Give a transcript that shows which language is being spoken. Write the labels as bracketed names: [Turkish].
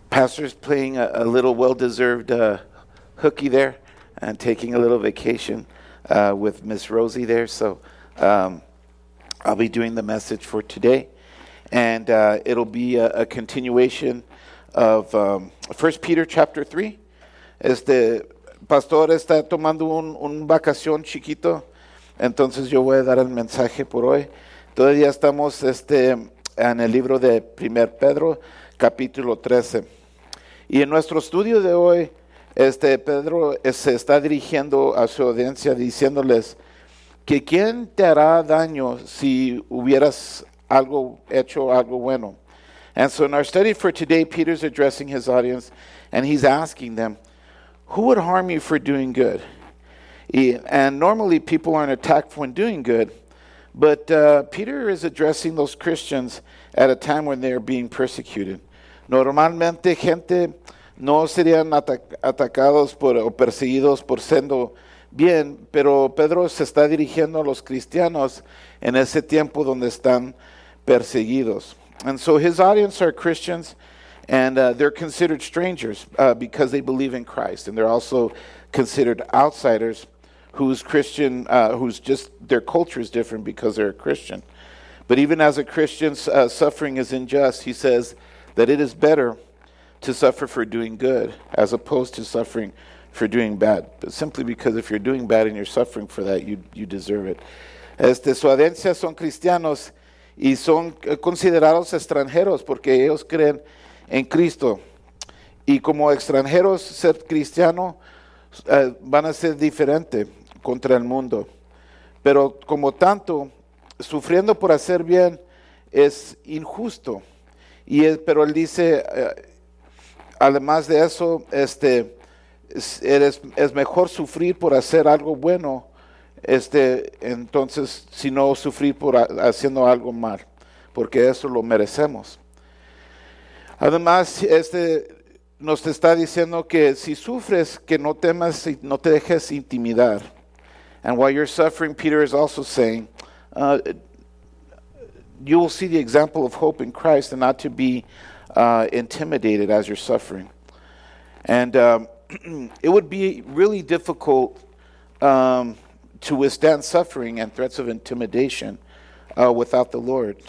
[English] Pastor's playing a little well-deserved hooky there and taking a little vacation with Miss Rosie there. So I'll be doing the message for today. And it'll be a continuation of 1 Peter chapter 3. [Spanish] Pastor está tomando un vacación chiquito. Entonces yo voy a dar el mensaje por hoy. Todavía estamos en el libro de 1 Pedro, capítulo 13. Y en nuestro estudio de hoy, Pedro se está dirigiendo a su audiencia diciéndoles que ¿quién te hará daño si hubieras hecho algo bueno? [English] And so in our study for today, Peter's addressing his audience and he's asking them, who would harm you for doing good? And normally people aren't attacked when doing good, but Peter is addressing those Christians at a time when they are being persecuted. [Spanish] Normalmente gente no serían atacados por o perseguidos por siendo bien, pero Pedro se está dirigiendo a los cristianos en ese tiempo donde están perseguidos. [English] And so his audience are Christians, and they're considered strangers because they believe in Christ, and they're also considered outsiders whose Christian whose just their culture is different because they're a Christian. But even as a Christian, suffering is unjust. He says that it is better to suffer for doing good as opposed to suffering for doing bad. But simply because if you're doing bad and you're suffering for that, you deserve it. [Spanish] Su audiencia son cristianos y son considerados extranjeros porque ellos creen en Cristo. Y como extranjeros, ser cristiano van a ser diferente contra el mundo. Pero como tanto, sufriendo por hacer bien es injusto. Pero él dice, además de eso, es mejor sufrir por hacer algo bueno, entonces, si no sufrir por haciendo algo mal, porque eso lo merecemos. Además, nos está diciendo que si sufres, que no temas y no te dejes intimidar. [English] And while you're suffering, Peter is also saying, you will see the example of hope in Christ and not to be intimidated as you're suffering. And it would be really difficult to withstand suffering and threats of intimidation without the Lord.